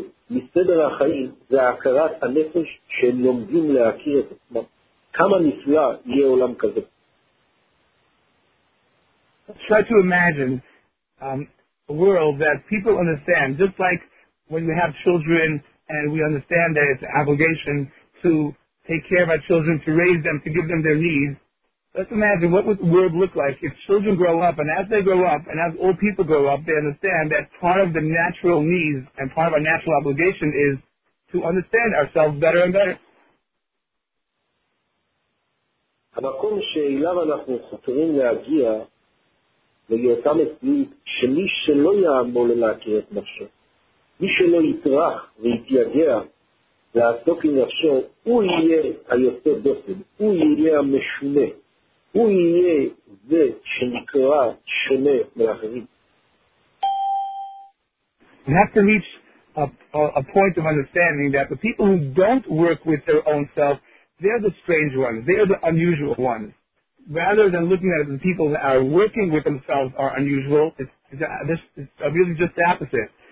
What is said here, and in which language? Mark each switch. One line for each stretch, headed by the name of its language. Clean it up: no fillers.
Hebrew: מסדר החיים זה הכרת הנפש שהם לומדים להכיר את עצמם. כמה נפלא יהיה עולם כזה.
English: Let's try to imagine a world that people understand, just like when we have children and we understand that it's an obligation to take care of our children, to raise them, to give them their needs. Let's imagine what would the world look like if children grow up, and as they grow up, and as old people grow up, they understand that part of the natural needs and part of our natural obligation is to understand ourselves better and better.
Hebrew: המקום שאליו אנחנו חותרים להגיע להיותה מסליט, שמי שלא יעמול להכיר את נפשו, מי שלא יתרח ויתייגע לעסוק עם נפשו, הוא יהיה היוצא דופן, הוא יהיה המשונה, הוא יהיה זה שנקרא שונה מאחרים.
English: You have to reach a point of understanding that the people who don't work with their own self, they're the strange ones, they're the unusual ones. Rather than looking at the people that are working with themselves are unusual, it's really just the opposite.